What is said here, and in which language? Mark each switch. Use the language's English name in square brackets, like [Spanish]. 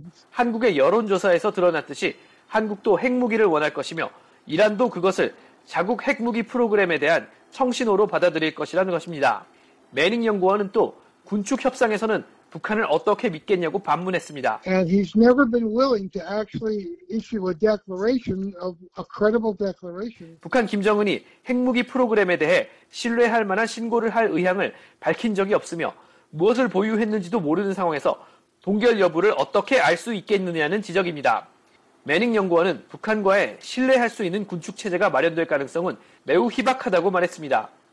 [Korean] 한국의 여론조사에서 드러났듯이 한국도 핵무기를 원할 것이며 이란도 그것을 자국 핵무기 프로그램에 대한 청신호로 받아들일 것이라는 것입니다. 매닝 연구원은 또 군축 협상에서는 북한을 어떻게 믿겠냐고 반문했습니다. [English] And he's never been willing to actually issue a declaration of a credible declaration. [Korean] 북한 김정은이 핵무기 프로그램에 대해 신뢰할 만한 신고를 할 의향을 밝힌 적이 없으며 무엇을 보유했는지도 모르는 상황에서 동결 여부를 어떻게 알 수 있겠느냐는 지적입니다. 매닝 연구원은 북한과의 신뢰할 수 있는 군축 체제가 마련될 가능성은 매우 희박하다고 말했습니다.